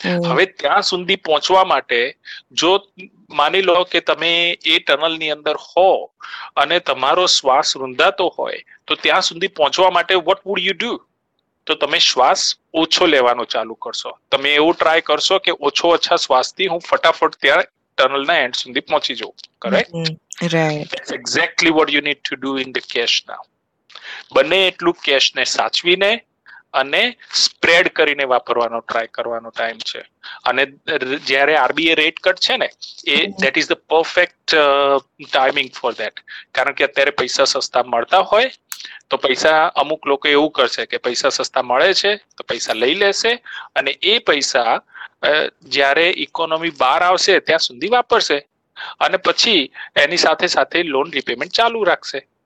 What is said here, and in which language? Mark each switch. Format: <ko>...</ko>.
<gu>હવે ત્યાં સુધી પહોંચવા માટે જો માની લો કે તમે એ ટનલ ની અંદર હો અને તમારો શ્વાસ રૂંધાતો હોય, તો ત્યાં સુધી પહોંચવા માટે</gu> <en>What would you do?</en> <gu>તો તમે શ્વાસ ઓછો લેવાનો ચાલુ કરશો. તમે એવું ટ્રાય કરશો કે ઓછો ઓછા શ્વાસથી હું ફટાફટ ત્યાં ટનલ ના એન્ડ સુધી પહોંચી જવું. Correct.</gu> <en>Right. That's exactly what you need to do in the cash now.</en> <gu>બને એટલું કેશ ને સાચવીને અને સ્પ્રેડ કરીને વાપરવાનો ટ્રાય કરવાનો ટાઈમ છે. અને જ્યારે RBI રેટ કટ છે ને, એ</gu> <en>That is the perfect timing for that.</en> <gu>કારણ કે અત્યારે પૈસા સસ્તા મળતા હોય તો પૈસા અમુક લોકો એવું કરશે કે પૈસા સસ્તા મળે છે તો પૈસા લઈ લેશે અને એ પૈસા જ્યારે ઇકોનોમી બહાર આવશે ત્યાં સુધી વાપરશે અને પછી એની સાથે સાથે લોન રીપેમેન્ટ ચાલુ રાખશે.</gu>